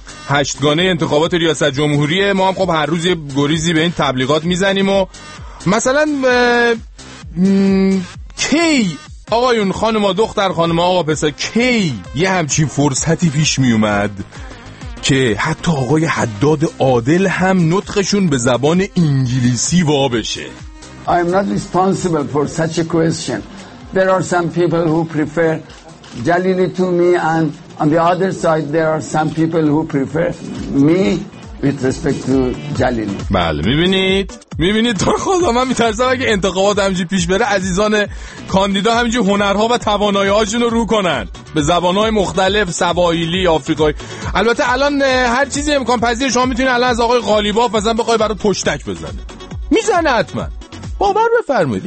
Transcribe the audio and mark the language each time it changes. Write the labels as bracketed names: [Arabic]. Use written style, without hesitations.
[Persian] هشتگانه انتخابات ریاست جمهوریه، ما هم خب هر روز یه گریزی به این تبلیغات میزنیم و مثلا کی آقایون خانم دختر خانم آقا پسر کی یه همچین فرصتی پیش میومد که حتی آقای حداد عادل هم نطقشون به زبان انگلیسی وا بشه. [English] I am not responsible for such a question. There are some people who prefer Jalili to me, and on the other side there are some people who prefer me with respect to Jalili. [Persian] بله میبینید، میبینید تو خدا من میترسم اگه انتخابات همینجوری پیش بره عزیزان کاندیدا همینجوری هنرها و توانایی‌هاشون رو کنن به زبان‌های مختلف، سواحیلی، آفریقایی. البته الان هر چیزی امکان پذیر، شما میتونید الان از آقای قالیباف مثلا بخوای برای پشتک بزنه، میزنه حتما، باور بفرمایید.